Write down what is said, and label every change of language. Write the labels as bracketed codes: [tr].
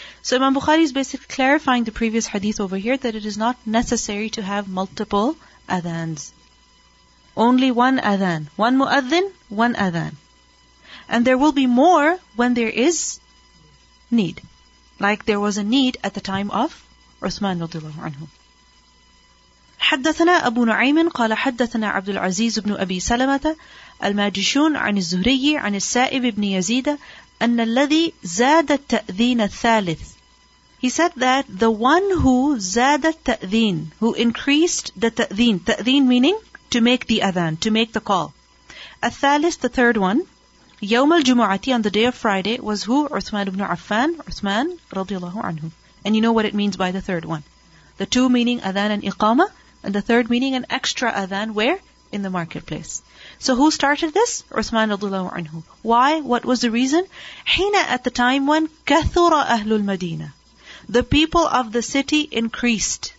[en] So Imam Bukhari is basically clarifying the previous hadith over here that it is not necessary to have multiple adhans. Only one adhan. One mu'adhin, one adhan. And there will be more when there is need. Like there was a need at the time of Uthman radiallahu anhu. [ar] حدثنا أبو نعيم قال حدثنا عبد العزيز بن أبي سلمة الماجشون عن الزهري عن السائب بن يزيد أن الذي زاد التأذين الثالث. [en] He said that the one who [ar] زاد التأذين, [en] who increased the تأذين, تأذين meaning to make the adhan, to make the call. الثالث, the third one, [ar] يوم الجمعة, [en] on the day of Friday, was who? [ar] عثمان بن عفان, عثمان رضي الله عنه. [en] And you know what it means by the third one. The two meaning adhan and iqama. And the third meaning an extra adhan, where? In the marketplace. So who started this? Uthman radiallahu anhu. Why? What was the reason? Hina, at the time when [ar] kathura ahlul Madinah. [en] The people of the city increased.